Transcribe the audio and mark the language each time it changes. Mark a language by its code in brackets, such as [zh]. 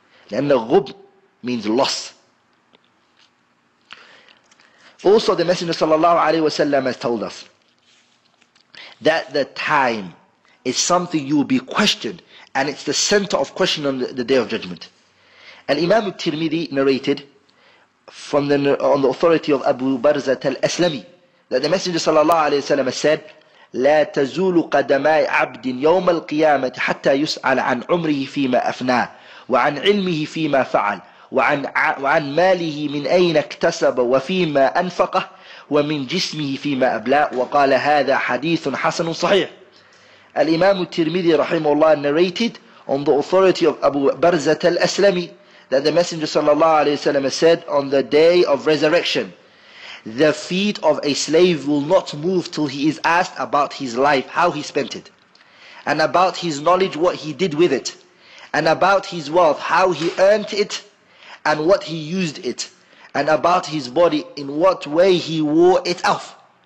[ar] لأنه غب [en] means loss. Also, the Messenger sallallahu alayhi wasallam has told us that the time is something you will be questioned, and it's the center of question on the Day of Judgment. And Imam al-Tirmidhi narrated from on the authority of Abu Barzat al-Aslami that the Messenger sallallahu alayhi wasallam said, [ar] لا تزول قدماي عبد يوم القيامة حتى يسأل عن عمره فيما أفناه وعن علمه فيما فعل وعن ماله من أين اكتسب وفيما أنفقه ومن جسمه فيما أبلى. وقال هذا حديث حسن صحيح. الإمام الترمذي رحمه الله [en] narrated on the authority of Abu Barzat al-Aslami that the Messenger [ar] صلى الله عليه وسلم [en] said, on the day of resurrection, the feet of a slave will not move till he is asked about his life, how he spent it, and about his knowledge, what he did with it, and about his wealth, how he earned it, and what he used it, and about his body, in what way he wore it off.